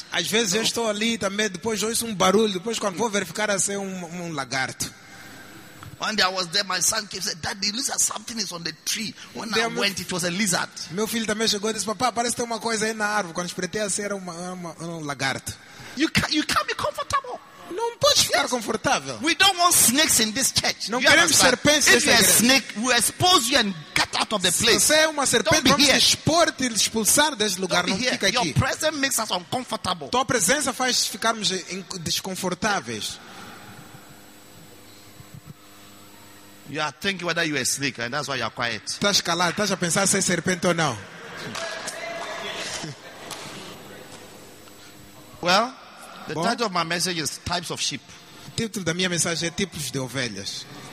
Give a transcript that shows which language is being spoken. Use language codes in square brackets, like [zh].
[pt] Às vezes eu estou ali também, depois ouço barulho, depois quando vou verificar, assim, um lagarto. [en] One day I was there, my son came and said, Daddy, looks like something is on the tree. When I went, it was a lizard. [pt] Meu filho também chegou e disse, papá, parece que tem uma coisa aí na árvore. Quando espreitei, assim, era um lagarto. [en] You can't be comfortable. [pt] Não pode ficar confortável. [en] We don't want snakes in this church. [pt] Não queremos serpentes nesta igreja. [en] If you're a snake, we expose you and get out of the place. [pt] Se você é uma serpente, vamos expor-te e expulsar deste lugar. Não fica aqui. [en] Your presence makes us uncomfortable. [pt] Tua presença faz ficarmos desconfortáveis. [en] You are thinking whether you're a snake, and that's why you're quiet. [pt] Estás calado, estás a pensar se é serpente ou não. [en] Well, the title of my message is Types of Sheep. [pt] O título da minha mensagem é Tipos de Ovelhas.